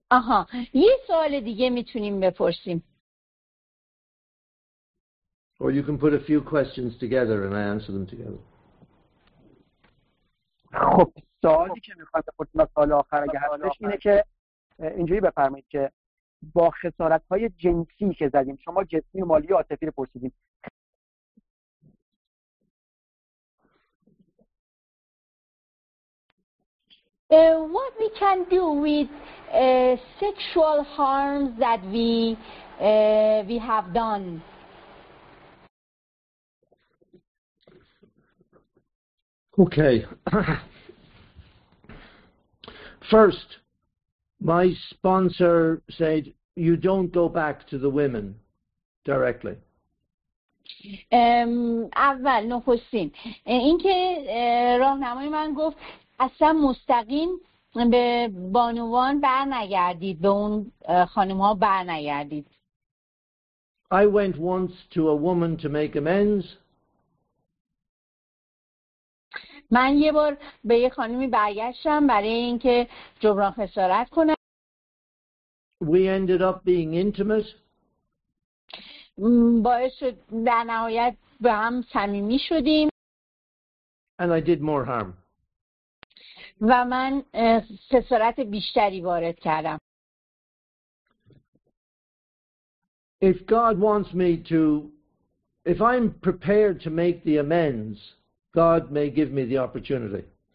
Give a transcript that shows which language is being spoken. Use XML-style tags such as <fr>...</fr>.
<fa>آها، یه سوال دیگه میتونیم بپرسیم.</fa> <en>Or you can put a few questions together and I answer them together.</en> <fa>خب، سوالی که میخوام بپرسم، سوال آخر اگه هستش، اینه که اینجوری بفرمایید که با خسارت‌های جنسی که زدیم، شما جسمی و مالی و عاطفی رو پرسیدیم.</fa> <en>What we can do with sexual harms that we have done? Okay. First, my sponsor said you don't go back to the women directly.</en> <fa>اول نخستین اینکه راهنمای من گفت اصلا مستقیم به بانوان بر نگردید، به اون خانم ها بر نگردید.</fa> <en>I went once to a woman to make amends.</en> <fa>من یه بار به یه خانمی برگشتم برای اینکه جبران خسارت کنم.</fa> <en>We ended up being intimate.</en> <fa>باعث در نهایت به هم صمیمی شدیم.</fa> <en>And I did more harm.</en> <fa>و من خسارت بیشتری وارد کردم.</fa> <en>If God wants me to, if I'm prepared to make the amends, God may give me the opportunity.</en>